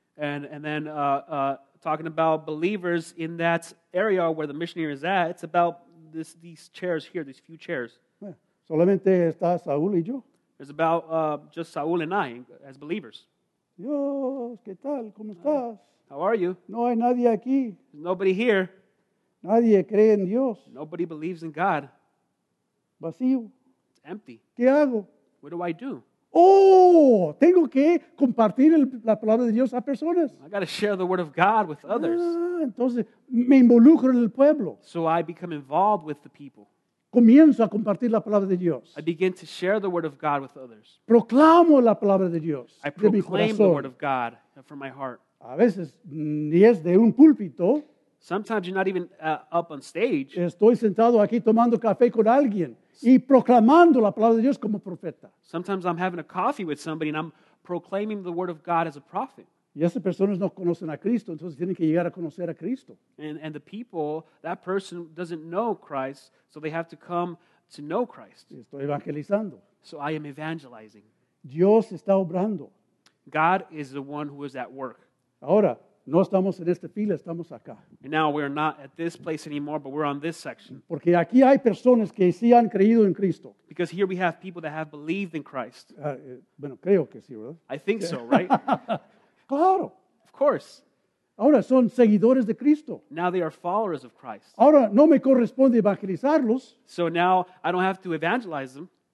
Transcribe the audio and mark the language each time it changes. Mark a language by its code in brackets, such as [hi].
[en] And then talking about believers in that area where the missionary is at, it's about these chairs here, these few chairs. [es] Solamente está Saúl y yo. [en] It's about just Saúl and I as believers. [es] Dios, ¿qué tal? ¿Cómo estás? [en] How are you? [es] No hay nadie aquí. [en] There's nobody here. [es] Nadie cree en Dios. [en] Nobody believes in God. [es] Vacío. [en] It's empty. [es] ¿Qué hago? [en] What do I do? [es] Oh, tengo que compartir la palabra de Dios a personas. [en] I got to share the word of God with others. [es] Entonces me involucro en el pueblo. [en] So I become involved with the people. [es] Comienzo a compartir la palabra de Dios. [en] I begin to share the word of God with others. [es] Proclamo la palabra de Dios. [en] I proclaim the word of God from my heart. [es] A veces ni es de un púlpito. [en] Sometimes you're not even up on stage. [es] Estoy sentado aquí tomando café con alguien. Y proclamando la palabra de Dios como profeta. [en] Sometimes I'm having a coffee with somebody and I'm proclaiming the word of God as a prophet. [es] Y esas personas no conocen a Cristo, entonces tienen que llegar a conocer a Cristo. [en] And the people, that person doesn't know Christ, so they have to come to know Christ. [es] Estoy evangelizando. [en] So I am evangelizing. [es] Dios está obrando. [en] God is the one who is at work. [es] Ahora, no estamos en esta fila, estamos acá. [en] And now we are not at this place anymore, but we're on this section. [es] Porque aquí hay personas que sí han creído en Cristo. [en] Because here we have people that have believed in Christ. [es] Bueno, creo que sí, ¿verdad? [en] I think so, right? [es] Claro. [en] Of course. [es] Ahora son seguidores de Cristo. [en] Now they are followers of Christ. [es] Ahora no me corresponde evangelizarlos. [en] So now I don't have to evangelize them.